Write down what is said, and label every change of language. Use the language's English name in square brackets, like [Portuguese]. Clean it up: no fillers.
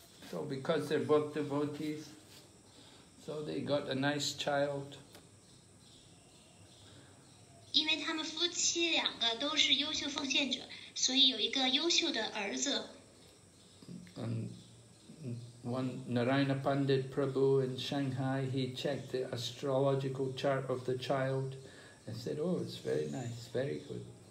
[English] So because they're both devotees, so they got a nice child. [Chinese] 因为他们夫妻两个都是优秀奉献者，所以有一个优秀的儿子。 [English] And one Narayana Pandit Prabhu in Shanghai, he checked the astrological chart of the child and said, oh, it's very nice, very good.